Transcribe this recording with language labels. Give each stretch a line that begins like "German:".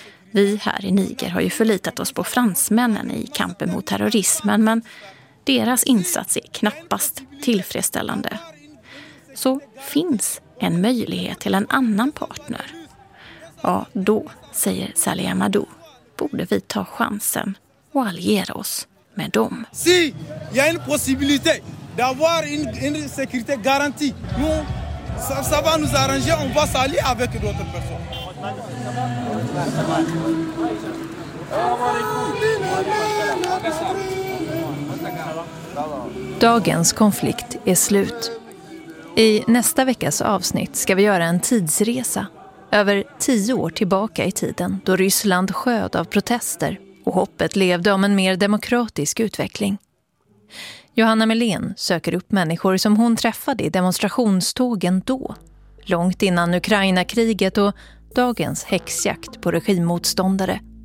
Swedish: Vi här i Niger har ju förlitat oss på fransmännen i kampen mot terrorismen, men deras insats är knappast tillfredsställande. Så finns en möjlighet till en annan partner. Ja, då, säger Saleh Amadou, borde vi ta chansen och alliera oss med dem.
French: Si, il y a une possibilité d'avoir une sécurité garantie. Nous, ça va nous arranger, on va s'allier avec d'autres personnes.
Swedish: Dagens konflikt är slut. I nästa veckas avsnitt ska vi göra en tidsresa. Över 10 år tillbaka i tiden då Ryssland sköd av protester och hoppet levde om en mer demokratisk utveckling. Johanna Melén söker upp människor som hon träffade i demonstrationstågen då, långt innan Ukraina-kriget och dagens häxjakt på regimmotståndare.